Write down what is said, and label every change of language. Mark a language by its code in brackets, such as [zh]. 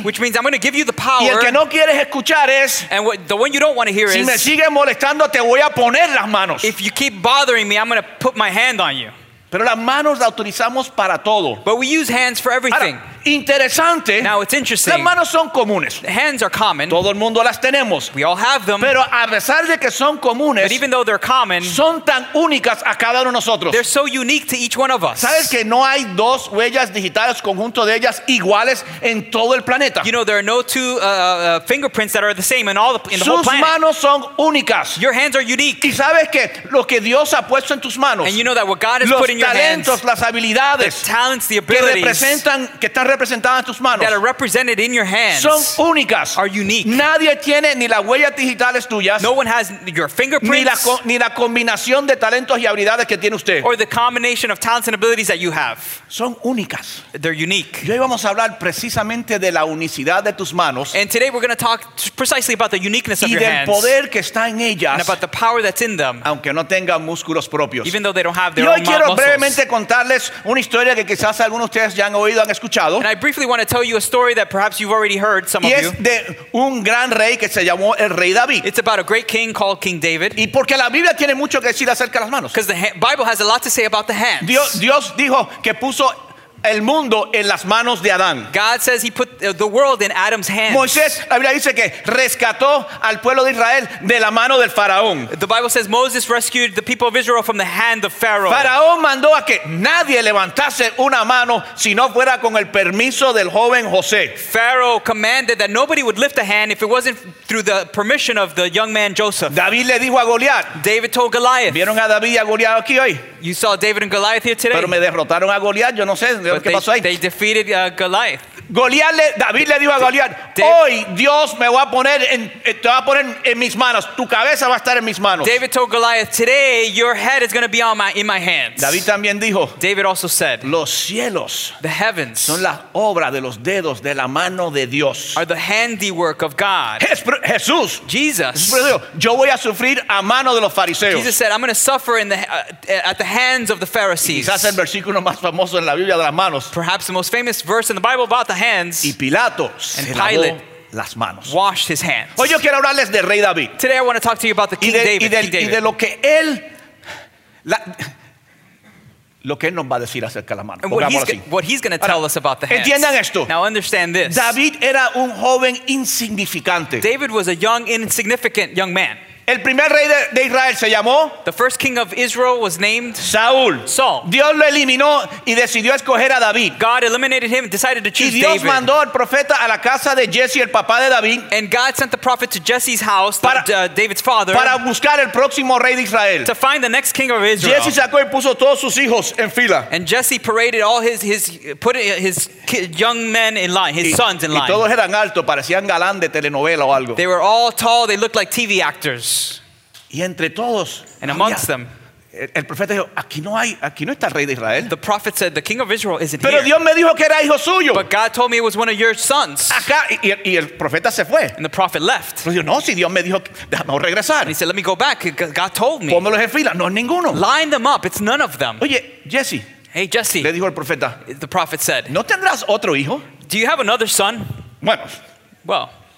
[en] Which means I'm going to give you the power. [es] Y el que no quieres escuchar es [en] and what, the one you don't want to hear [es] si [en] is [es] si me sigues molestando te voy a poner las manos. [en] If you keep bothering me I'm going to put my hand on you. [es] Pero las manos las utilizamos para todo. [en] But we use hands for everything. [es] Ahora, interesante. [en] Now it's interesting. [es] Las manos son comunes. [en] The hands are common. [es] Todo el mundo las tenemos. [en] We all have them. [es] Pero a pesar de que son comunes, [en] but even though they're common, [es] son tan únicas a cada uno de nosotros. [en] They're so unique to each one of us. [es] ¿Sabes que no hay dos huellas digitales conjunto de ellas iguales en todo el planeta? [en] You know there are no two fingerprints that are the same in all the, in the whole planet. [es] Sus manos son únicas. [en] Your hands are unique. [es] ¿Y sabes que lo que Dios ha puesto en tus manos? [en] And you know that what God has put in your hands. [es] Los talentos, las habilidades, [en] the talents, the abilities, [es] que representan, que están representadas en tus manos, [en] that are represented in your hands, [es] son únicas, [en] are unique. [es] Nadie tiene ni las huellas digitales tuyas, [en] no one has your fingerprints, [es] ni la combinación de talentos y habilidades que tiene usted, [en] or the combination of talents and abilities that you have. [es] Son únicas. [en] They're unique. [es] Y hoy vamos a hablar precisamente de la unicidad de tus manos. [en] And today we're going to talk precisely about the uniqueness of your hands. [es] Y del poder que está en ellas. [en] And about the power that's in them. [es] Aunque no tengan músculos propios. [en] Even though they don't have their own muscles. [es] Y hoy quiero brevemente contarles una historia que quizás algunos de ustedes ya han oído, han escuchado. [en] And I briefly want to tell you a story that perhaps you've already heard, some of you. [es] Y es de un gran rey que se llamó el rey David. [en] It's about a great king called King David. [es] Y porque la Biblia tiene mucho que decir acerca de las manos. [en] Because the Bible has a lot to say about the hands. [es] Dios dijo que puso el mundo en las manos de Adán. [en] God says he put the world in Adam's hands. [es] Moisés, la Biblia dice que rescató al pueblo de Israel de la mano del faraón. [en] The Bible says Moses rescued the people of Israel from the hand of Pharaoh. [es] Faraón mandó a que nadie levantase una mano si no fuera con el permiso del joven José. [en] Pharaoh commanded that nobody would lift a hand if it wasn't through the permission of the young man Joseph. [es] David le dijo a Goliat. [en] David told Goliath. [es] ¿Vieron a David y a Goliat aquí hoy? [en] You saw David and Goliath here today. [es] Pero me derrotaron a Goliat, yo no sé. [en] They defeated Goliath. [es] David le dijo a Goliat, hoy Dios me va a poner en mis manos, tu cabeza va a estar en mis manos. [en] David told Goliath, today your head is going to be in my hands. [es] David también dijo, [en] David also said, [es] los cielos, [en] the heavens, [es] son la obra de los dedos de la mano de Dios, [en] are the handiwork of God. [es] Jesús, [en] Jesus, [es] yo voy a sufrir a mano de los fariseos. [en] Jesus said, I'm going to suffer at the hands of the Pharisees. [es] Quizás el versículo más famoso en la Biblia de las manos. [en] Perhaps the most famous verse in the Bible about the hands, [es] y Pilato [en] and Pilate [es] las manos, [en] washed his hands. [es] Hoy yo quiero hablarles del rey David. [en] Today I want to talk to you about the King David. [es] Y de lo que él, lo que él nos va a decir acerca de la mano. [en] What he's going to tell us about the hands. [es] Entiendan esto. [en] Now understand this. [es] David era un joven insignificante. [en] David was a young, insignificant young man. [es] El primer rey de Israel se llamó. [en] The first king of Israel was named [es] Saúl. [en] Saul. [es] Dios lo eliminó y decidió escoger a David. [en] God eliminated him and decided to choose David. [es] Y Dios [en] David. [es] Mandó al profeta a la casa de Jesse, el papá de David. [en] And God sent the prophet to Jesse's house, David's father, [es] para buscar el próximo rey de Israel. [en] To find the next king of Israel. [es] Jesse sacó y puso todos sus hijos en fila. [en] And Jesse paraded all his young men in line, his sons in line. [es] Y todos eran altos, parecían galán de telenovela o algo. [en] They were all tall. They looked like TV actors. [es] Y entre todos, [en] and amongst them, [es] el profeta dijo, aquí no está el rey de Israel. [en] The prophet said, the king of Israel isn't [es] pero [en] here. [es] Dios me dijo que era hijo suyo. [en] But God told me it was one of your sons. [es] Acá, y el profeta se fue. [en] And the prophet left. [es] Dijo, no, si Dios me dijo, déjame regresar. [en] And he said, let me go back. God told me. [es] Pónmelos en fila. No es ninguno. [en] Line them up. It's none of them. [es] Oye, Jesse. [en] Hey, Jesse. [es] Le dijo el profeta. [en] The prophet said, [es] ¿no tendrás otro hijo? [en] Do you have another son? [es] Bueno. [en] Well.